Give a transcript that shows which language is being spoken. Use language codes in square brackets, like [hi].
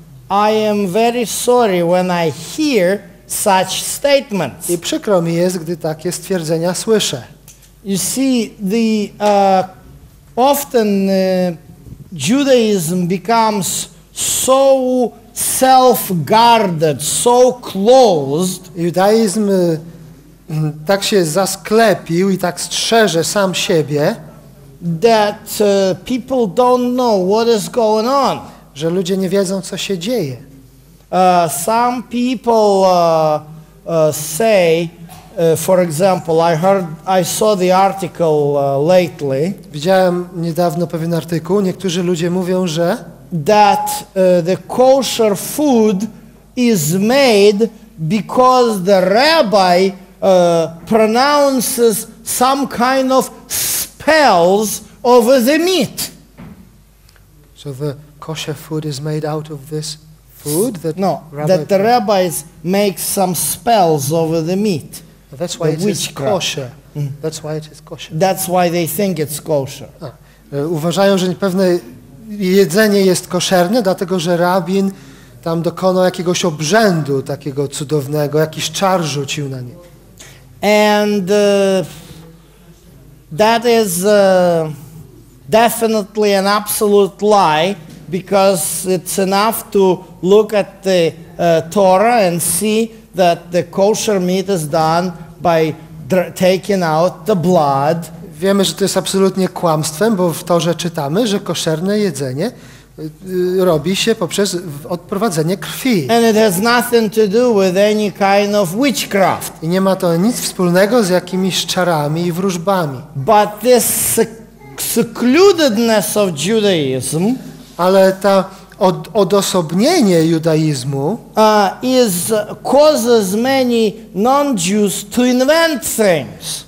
[en] I am very sorry when I hear such statements. [pl] I przykro mi jest, gdy takie stwierdzenia słyszę. [en] You see, the often Judaism becomes so self-guarded, so closed. [pl] Judaizm tak się zasklepił i tak strzeże sam siebie, [en] that people don't know what is going on. [pl] Że ludzie nie wiedzą, co się dzieje. [en] Some people say, for example, I saw the article lately. [pl] Widziałem niedawno pewien artykuł. Niektórzy ludzie mówią, że [en] that the kosher food is made because the rabbi pronounces some kind of spells over the meat. So the kosher food is made out of this food that The rabbi makes some spells over the meat. That's why it is kosher. That's why it is kosher. That's why they think it's kosher. [pl] Uważają, że pewne jedzenie jest koszerne, dlatego że rabin tam dokonał jakiegoś obrzędu takiego cudownego, jakiś czar rzucił na nie. [en] And that is definitely an absolute lie, because it's enough to look at the Torah and see that the kosher meat is done by taking out the blood. [pl] Wiemy, że to jest absolutnie kłamstwem, bo w Torze czytamy, że koszerne jedzenie robi się poprzez odprowadzenie krwi. [en] And it has nothing to do with any kind of witchcraft. [pl] I nie ma to nic wspólnego z jakimiś czarami i wróżbami. [en] But this secludedness of Judaism, [pl] ale ta odosobnienie judaizmu [en] causes many non-Jews to invent things.